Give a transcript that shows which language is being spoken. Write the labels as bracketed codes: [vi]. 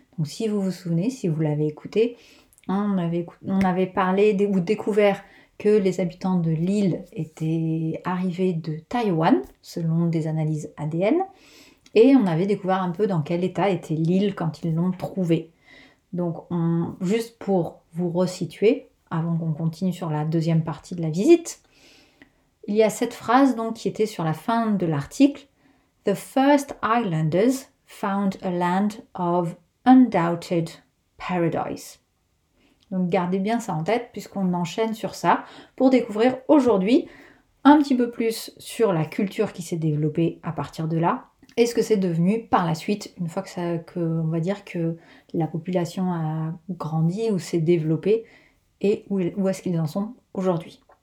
[fr] Donc, si vous vous souvenez, si vous l'avez écouté, on avait découvert que les habitants de l'île étaient arrivés de Taïwan, selon des analyses ADN, et on avait découvert un peu dans quel état était l'île quand ils l'ont trouvée. Donc, juste pour vous resituer, avant qu'on continue sur la deuxième partie de la visite, il y a cette phrase donc, qui était sur la fin de l'article. [en] The first islanders found a land of undoubted paradise. [fr] Donc gardez bien ça en tête puisqu'on enchaîne sur ça pour découvrir aujourd'hui un petit peu plus sur la culture qui s'est développée à partir de là et ce que c'est devenu par la suite une fois qu'on va dire que la population a grandi ou s'est développée et où est-ce qu'ils en sont aujourd'hui.